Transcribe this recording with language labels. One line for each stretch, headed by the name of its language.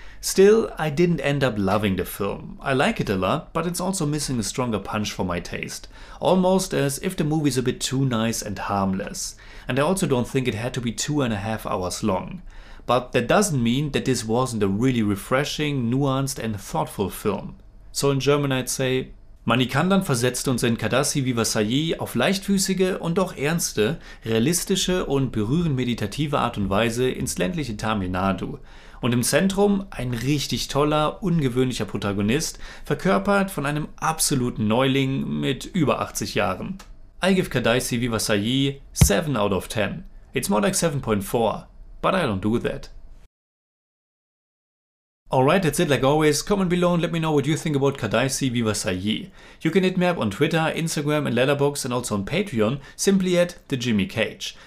English: Still, I didn't end up loving the film. I like it a lot, but it's also missing a stronger punch for my taste. Almost as if the movie's a bit too nice and harmless. And I also don't think it had to be 2.5 hours long. But that doesn't mean that this wasn't a really refreshing, nuanced and thoughtful film. So in German I'd say,
German: Manikandan versetzt uns in Kadaisi Vivasayi auf leichtfüßige und doch ernste, realistische und berührend meditative Art und Weise ins ländliche Tamil Nadu. Und im Zentrum ein richtig toller, ungewöhnlicher Protagonist, verkörpert von einem absoluten Neuling mit über 80 Jahren.
English: I give Kadaisi Vivasayi 7 out of 10. It's more like 7.4, but I don't do that. Alright, that's it. Like always, comment below and let me know what you think about Kadaisi Vivasayi. You can hit me up on Twitter, Instagram and Letterboxd and also on Patreon, simply at The Jimmy Cage.